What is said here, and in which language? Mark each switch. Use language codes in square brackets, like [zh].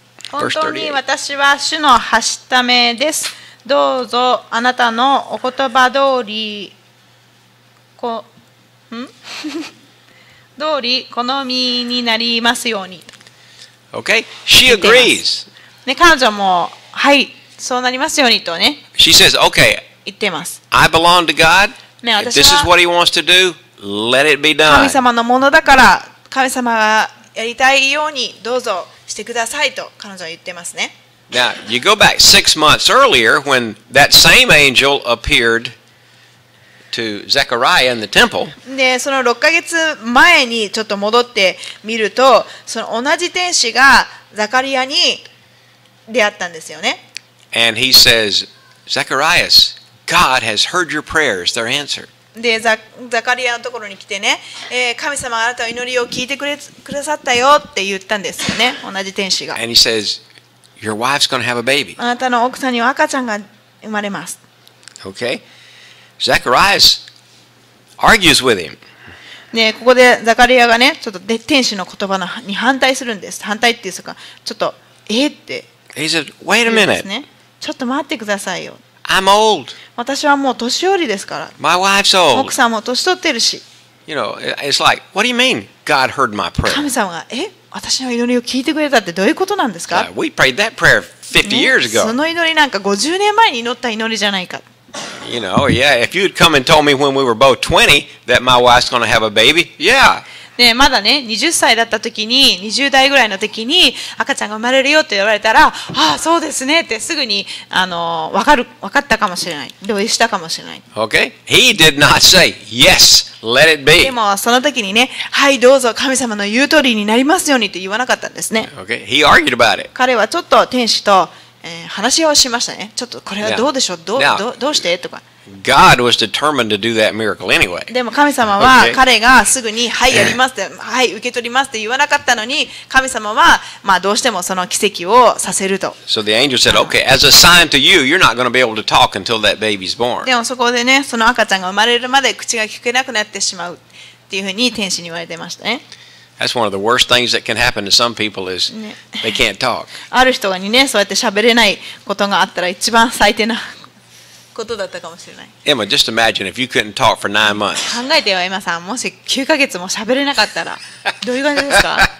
[ja] 本当に私は主のはしためです。どうぞあなたのお言葉通りこん通りこの身になりますように。 [en] Okay, she agrees. [ja] ね、彼女もはい、そうなりますようにとね。 [en] She says, "Okay." [ja] 言ってます。 [en] I belong to God. [ja] ね、 [en] If this is what He wants to do, let it be done. [ja] 神様のものだから、神様がやりたいようにどうぞしてくださいと彼女は言ってますね。 [en] Now, you go back 6 months earlier when that same angel appeared to Zechariah in the temple. [ja] で、その6ヶ月前にちょっと戻ってみると、その同じ天使がザカリアに出会ったんですよね。 [en] And he says, "Zacharias, God has heard your prayers. They're answered." [ja] で、ザカリアのところに来てね、神様があなたの祈りを聞いてくださったよって言ったんですよね、同じ天使が。 [en] And he says,Your wife's going to have a baby. [ja] あなたの奥さんには赤ちゃんが生まれます。 [en] Okay. Zacharias argues with him. [ja] ね、ここでザカリアがね、ちょっと天使の言葉のに反対するんです。反対っていうか、ちょっと、って、 [en] ね。He said, "Wait a minute." [ja] ちょっと待ってくださいよ。 [en] I'm old. [ja] 私はもう年寄りですから。 [en] My wife's old. [ja] 奥さんも年取ってるし。 [en] You know, it's like, what do you mean? God heard my prayer. [ja] 神様が、私の祈りを聞いてくれたってどういうことなんですか？ [en] We prayed that prayer 50 years ago. [ja] その祈りなんか50年前に祈った祈りじゃないか。 [en] You know, yeah, if you'd come and told me when we were both 20 that my wife's going to have a baby, yeah. [ja] ね、まだね、20歳だった時に、20代ぐらいの時に赤ちゃんが生まれるよって言われたら、ああ、そうですねってすぐに分かったかもしれない。同意したかもしれない。 [en] Okay. He did not say, yes. Let it be. [ja] でもその時にね、はいどうぞ神様の言う通りになりますようにって言わなかったんですね。 [en] Okay. He argued about it. [ja] 彼はちょっと天使と、話し合いをしましたね。ちょっとこれはどうでしょう、どうしてとか。 [en] God was determined to do that miracle anyway. [ja] でも神様は彼がすぐにはいやりますって、はい受け取りますって言わなかったのに、神様はまあどうしてもその奇跡をさせると。 [en] So the angel said, "Okay, as a sign to you, you're not going to be able to talk until that baby's born." [ja] でもそこでね、その赤ちゃんが生まれるまで口が聞けなくなってしまうっていうふうに天使に言われてましたね。 [en] That's one of the worst things that can happen to some people is they can't talk. [ja] ある人がにね、そうやって喋れないことがあったら一番最低なことだったかもしれない。 [en] Emma, just imagine if you couldn't talk for 9 months. [ja] 考えてよ、エマさん。もし9ヶ月も喋れなかったら、どういう感じですか